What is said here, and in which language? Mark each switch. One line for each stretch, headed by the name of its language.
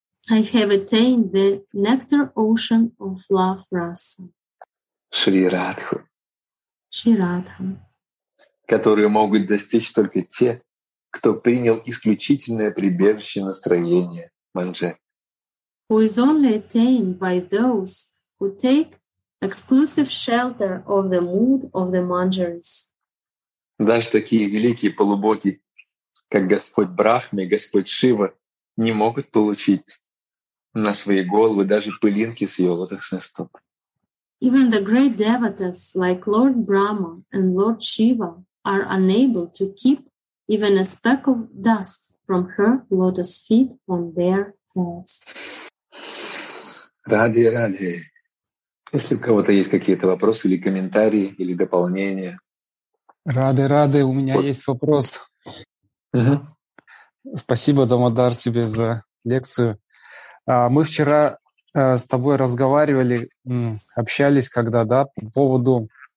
English: I have attained the nectar ocean of love rasa.
Russian: Шри Радху. Шри Радха. Которые могут достичь только те, кто принял исключительное прибежище настроения Манджа.
English: Who is only attained by those who take exclusive shelter of the mood of the Manjaris.
Russian: Даже такие великие полубоги, как Господь Брахма и Господь Шива, не могут получить на свои головы даже пылинки с ее лотосных стоп.
English: Even the great devotees like Lord Brahma and Lord Shiva are unable to keep even a speck of dust from her lotus feet on their heads.
Russian: Радхе, Радхе. Если у кого-то есть какие-то вопросы или комментарии, или дополнения. Радхе, Радхе, у меня есть вопрос. Спасибо, Дамодар, тебе за лекцию. Мы вчера с тобой разговаривали, общались когда, да, по поводу...